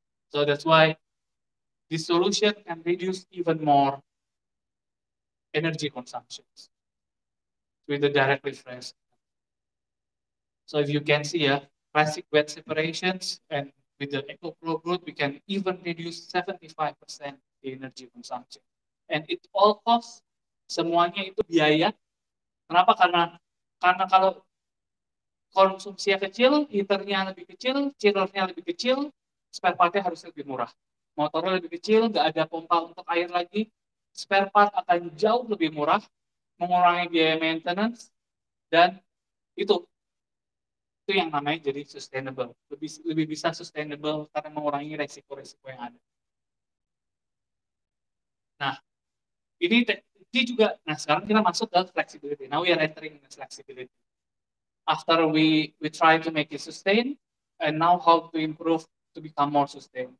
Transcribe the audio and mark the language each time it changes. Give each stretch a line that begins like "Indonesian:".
English: So that's why this solution can reduce even more energy consumption with the directly fresh. So if you can see, classic wet separations, and with the EcoPro group, we can even reduce 75% the energy consumption. And it all costs,
Indonesian: semuanya itu biaya. Kenapa? Karena kalau konsumsinya kecil, heaternya lebih kecil, chillernya lebih kecil, spare partnya harus lebih murah. Motornya lebih kecil, nggak ada pompa untuk air lagi, spare part akan jauh lebih murah, mengurangi biaya maintenance, dan itu yang namanya jadi sustainable. Lebih bisa sustainable karena mengurangi resiko-resiko yang ada. Nah, ini juga, nah sekarang kita masuk ke flexibility.
English: Now we are entering the flexibility. After we try to make it sustain, and now how to improve to become more sustain.